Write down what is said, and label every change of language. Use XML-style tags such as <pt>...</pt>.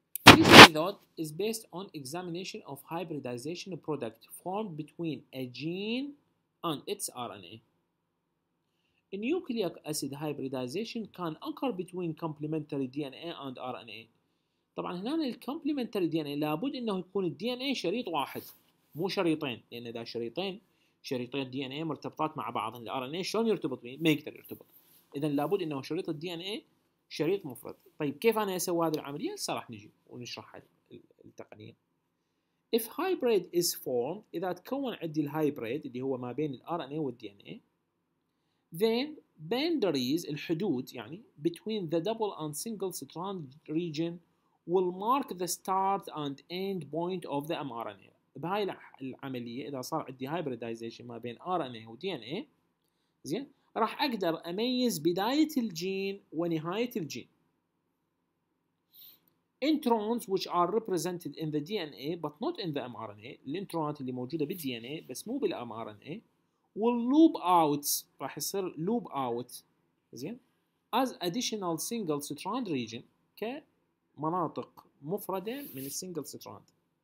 <en>This method is based on examination of hybridization product formed between a gene and its RNA. A nucleic acid hybridization can occur between complementary DNA and RNA.</en> <ar>طبعا هنا الكومبلمنتري دي ان اي لابد انه يكون الدي ان اي شريط واحد مو شريطين، لان اذا شريطين شريطين دي ان اي مرتبطات مع بعض، الار ان اي شلون يرتبط بيه؟ ما يقدر يرتبط. اذا لابد انه شريط الدي ان اي شريط مفرد. طيب كيف انا اسوي هذه العمليه؟ هسه راح نجي ونشرح التقنيه.</ar> <en>If hybrid is formed،</en> <ar>اذا تكون عندي الهايبريد اللي هو ما بين الار ان اي والدي ان اي،</ar> <en>then boundaries</en> <ar>الحدود يعني</ar> <en>between the double and single strand region will mark the start and end point of the mRNA.</en> <ar>بهاي العمليه اذا صار عندي hybridization ما بين ار ان اي ودي ان اي، زين راح اقدر اميز بدايه الجين ونهايه الجين.</ar> <en>Introns which are represented in the DNA but not in the mRNA،</en> <ar>الانترونات اللي موجوده بالدي ان اي بس مو بالmRNA،</ar> <en>والloop outs</en> <ar>راح يصير</ar> <en>loop out،</en> <ar>زين</ar> <en>as additional single strand region،</en> <ar>كمناطق مفرده من السنجل</ar> <en>strand.</en>